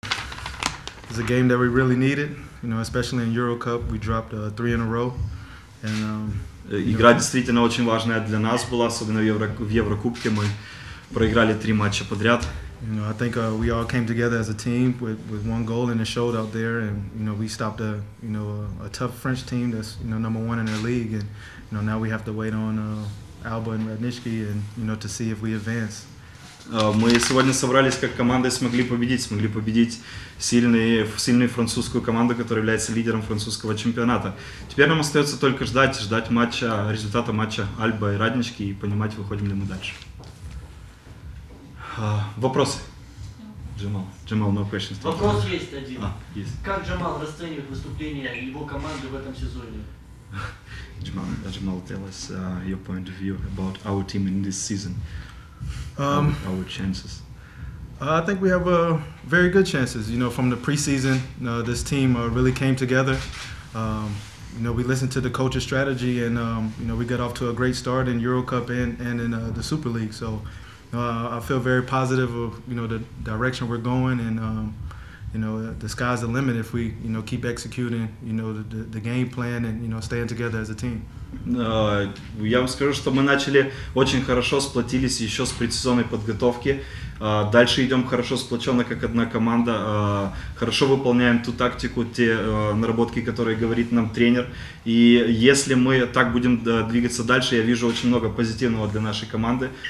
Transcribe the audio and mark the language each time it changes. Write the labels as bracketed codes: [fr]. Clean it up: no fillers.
[en] It's a game that we really needed, you know, especially in Euro Cup. We dropped three in a row. And, [ru] игра действительно очень важная для нас была, особенно в Еврокубке. Мы проиграли три матча подряд. [en] You know, I think we all came together as a team with one goal and a shout out there, and you know, we stopped a tough French team that's, you know, number one in their league, and you know, now we have to wait on Alba and Radnički, and you know, to see if we advance. [ru] Мы сегодня собрались как команда и смогли победить сильную французскую команду, которая является лидером французского чемпионата. Теперь нам остается только ждать матча, результата матча Альба и Раднички и понимать, выходим ли мы дальше. Вопросы? [en] Джамал, no questions. [ru] Вопрос есть один. Как Джамал расценивает выступление его команды в этом сезоне? [en] Джамал, tell us your point of view about our team in this season. Our chances. I think we have very good chances. You know, from the preseason, this team really came together. You know, we listened to the coach's strategy, and you know, we got off to a great start in Euro Cup and in the Super League. So, I feel very positive of, you know, the direction we're going, and you know, the sky's the limit if we, you know, keep executing, you know, the game plan and, you know, staying together as a team. [ru] Я вам скажу, что мы начали очень хорошо, сплотились еще с предсезонной подготовки. Дальше идем хорошо сплоченно, как одна команда. Хорошо выполняем ту тактику, те наработки, которые говорит нам тренер. И если мы так будем двигаться дальше, я вижу очень много позитивного для нашей команды.